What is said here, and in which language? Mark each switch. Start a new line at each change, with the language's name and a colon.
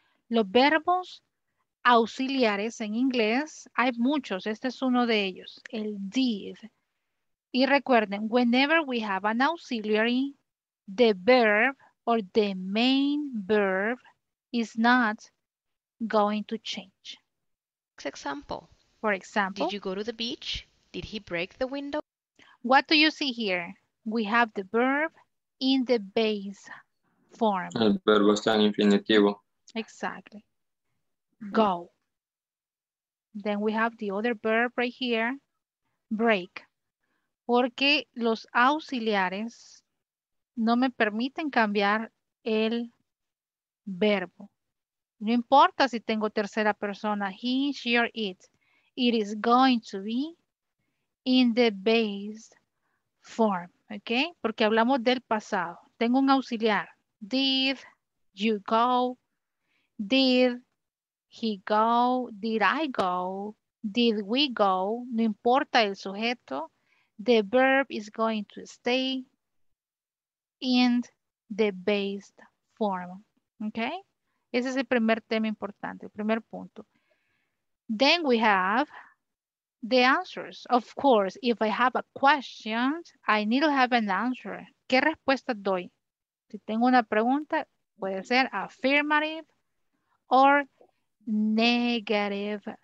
Spanish: Los verbos auxiliares en inglés, hay muchos, este es uno de ellos, el did. Y recuerden,
English: whenever we have an auxiliary, the verb or the main verb is not going to change. Next example. For example. Did you go to the beach? Did he break the window? What do you see here? We have the verb in the base form.
Spanish: El verbo está en infinitivo.
English: Exactly. Go. Then we have the other verb right here, break.
Spanish: Porque los auxiliares no me permiten cambiar el verbo. No importa si tengo tercera persona,
English: he, she, or it. It is going to be in the base form, okay?
Spanish: Porque hablamos del pasado. Tengo un auxiliar.
English: Did you go? Did he go? Did I go? Did we go?
Spanish: No importa el sujeto.
English: The verb is going to stay in the based form, okay?
Spanish: Ese es el primer tema importante, el primer punto.
English: Then we have the answers. Of course, if I have a question, I need to have an answer.
Spanish: ¿Qué respuesta doy? Si tengo una pregunta, puede ser
English: affirmative or negative.